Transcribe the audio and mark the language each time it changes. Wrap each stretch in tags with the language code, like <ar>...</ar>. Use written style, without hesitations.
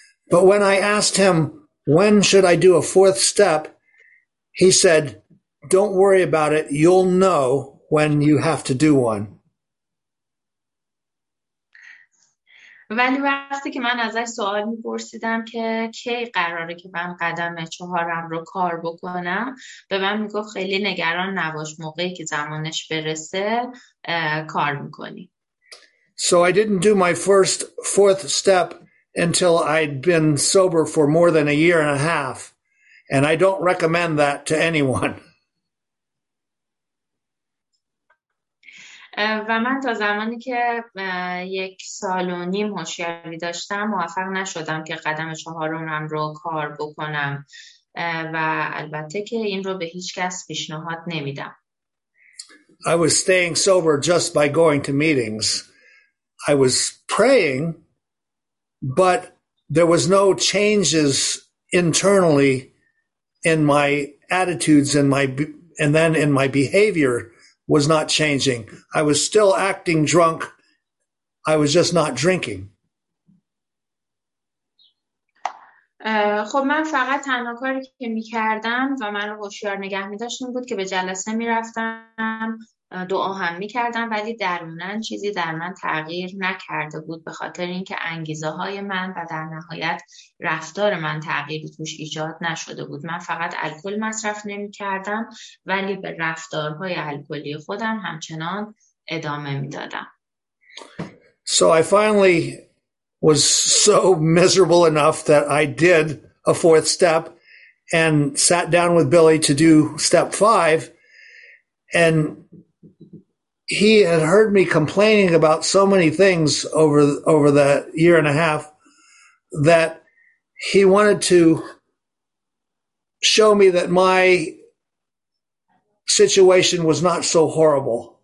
<en>But when I asked him, when should I do a fourth step? He said, don't worry about it, you'll know when you have to do one.</en> <fa>ولی وقتی که من ازش سوال می‌پرسیدم که کی قراره که من قدم چهارم رو کار بکنم، به من میگفت خیلی نگران نباش، موقعی که زمانش برسه کار می‌کنی.</fa> <en>So I didn't do my first fourth step until I'd been sober for more than a year and a half, and I don't recommend that to anyone.</en> <fa>و من تا زمانی که یک سال و نیم هوشیاری داشتم موفق نشدم که قدم چهارم رو کار بکنم و البته که این رو به هیچ کس پیشنهاد نمیدم.</fa> <en>I was staying sober just by going to meetings. I was praying, but there was no changes internally in my attitudes and then in my behavior. Was not changing. I was still acting drunk. I was just not drinking.</en> <fa>خب من فقط تنها کاری که می‌کردم و من رو هوشیار نگه می‌داشتم بود که به جلسه می‌رفتم، دعا هم می‌کردم، ولی درونن چیزی در من تغییر نکرده بود به خاطر اینکه انگیزه های من و در نهایت رفتار من تغییری توش ایجاد نشده بود. من فقط الکل مصرف نمی‌کردم ولی به رفتارهای الکلی خودم همچنان ادامه می‌دادم.</fa> <en>So I finally was so miserable enough that I did a fourth step and sat down with Billy to do step 5 and he had heard me complaining about so many things over the year and a half that he wanted to show me that my situation was not so horrible.</en>